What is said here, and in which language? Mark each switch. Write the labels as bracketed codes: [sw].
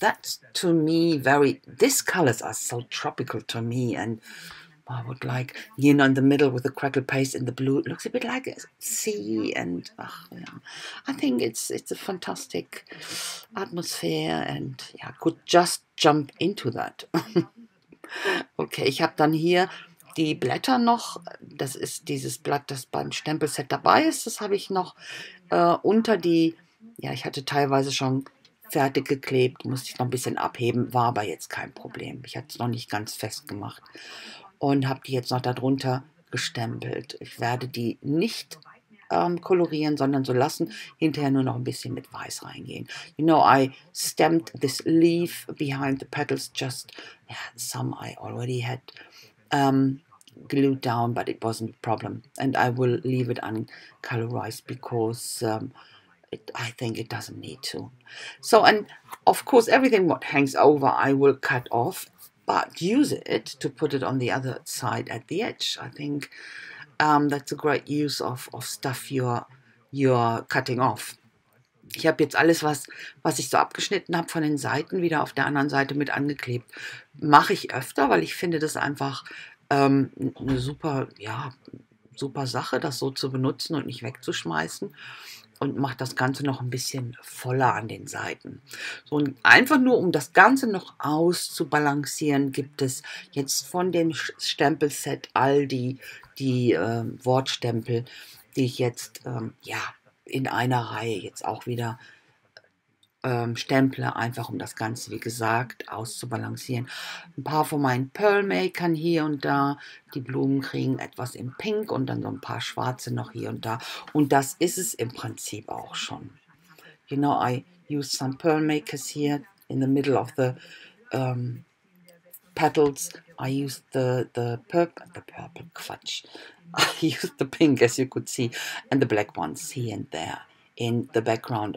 [en] That's to me very, these colors are so tropical to me. And I would like, you know, in the middle with the crackle paste and the blue, it looks a bit like a sea. And oh, yeah. I think it's a fantastic atmosphere, and yeah, I could just jump into that. [de] Okay, ich habe dann hier die Blätter noch. Das ist dieses Blatt, das beim Stempelset dabei ist. Das habe ich noch unter die, ja, ich hatte teilweise schon fertig geklebt, musste ich noch ein bisschen abheben, war aber jetzt kein Problem. Ich hatte es noch nicht ganz festgemacht. Und habe die jetzt noch darunter gestempelt. Ich werde die nicht kolorieren, sondern so lassen. Hinterher nur noch ein bisschen mit Weiß reingehen. [en] You know, I stamped this leaf behind the petals. Just yeah, some I already had glued down, but it wasn't a problem. And I will leave it uncolorized because I think it doesn't need to. So, and of course, everything what hangs over, I will cut off. But use it to put it on the other side at the edge. I think that's a great use of stuff you're cutting off. [de] Ich habe jetzt alles, was ich so abgeschnitten habe, von den Seiten wieder auf der anderen Seite mit angeklebt. Mache ich öfter, weil ich finde das einfach eine super, ja, super Sache, das so zu benutzen und nicht wegzuschmeißen. Und macht das Ganze noch ein bisschen voller an den Seiten. So, und einfach nur, um das Ganze noch auszubalancieren, gibt es jetzt von dem Stempelset all die Wortstempel, die ich jetzt ja, in einer Reihe jetzt auch wieder stemple, einfach um das Ganze, wie gesagt, auszubalancieren. Ein paar von meinen Pearl-Makern hier und da. Die Blumen kriegen etwas in Pink und dann so ein paar schwarze noch hier und da. Und das ist es im Prinzip auch schon. [en] You know, I use some Pearl-Makers here in the middle of the petals. I use the purple, Quatsch. I use the pink, as you could see, and the black ones here and there in the background.